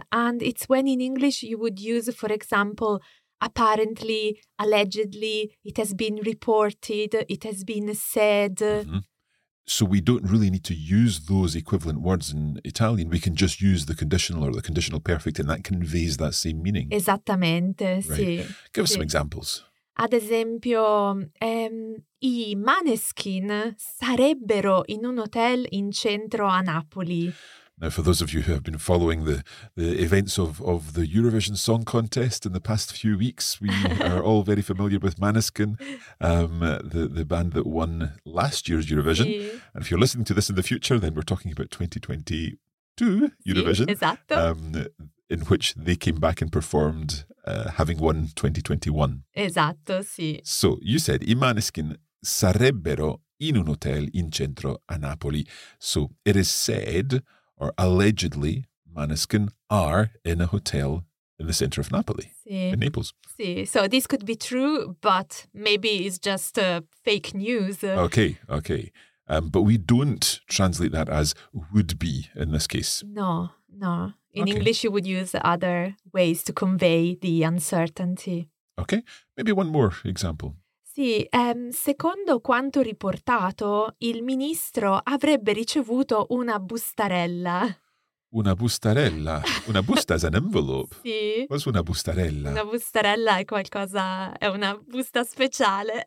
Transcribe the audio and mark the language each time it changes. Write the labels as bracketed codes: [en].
[en] And it's when in English you would use, for example, apparently, allegedly, it has been reported, it has been said. Mm-hmm. So we don't really need to use those equivalent words in Italian. We can just use the conditional or the conditional perfect, and that conveys that same meaning. [it] Esattamente, right. Sì. [en] Give us some examples. [it] Ad esempio, i Maneskin sarebbero in un hotel in centro a Napoli. [en] Now, for those of you who have been following the events of the Eurovision Song Contest in the past few weeks, we are all very familiar with Maneskin, the band that won last year's Eurovision. Sí. And if you're listening to this in the future, then we're talking about 2022 Eurovision, [it] sí, exacto. [en] In which they came back and performed, having won 2021. [it] Esatto, sì. [en] So you said, [it] i Maneskin sarebbero in un hotel in centro a Napoli. [en] So it is said, or allegedly, Maneskin are in a hotel in the center of Napoli, [it] sì. [en] In Naples. [it] Sì. [en] So this could be true, but maybe it's just fake news. Okay. But we don't translate that as would be in this case. No. English, you would use other ways to convey the uncertainty. Okay. Maybe one more example. [it] Sì, secondo quanto riportato, il ministro avrebbe ricevuto una bustarella. Una bustarella. Una busta [en] is an envelope. [it] Sì. [en] What's una bustarella? [it] Una bustarella è qualcosa, è una busta speciale.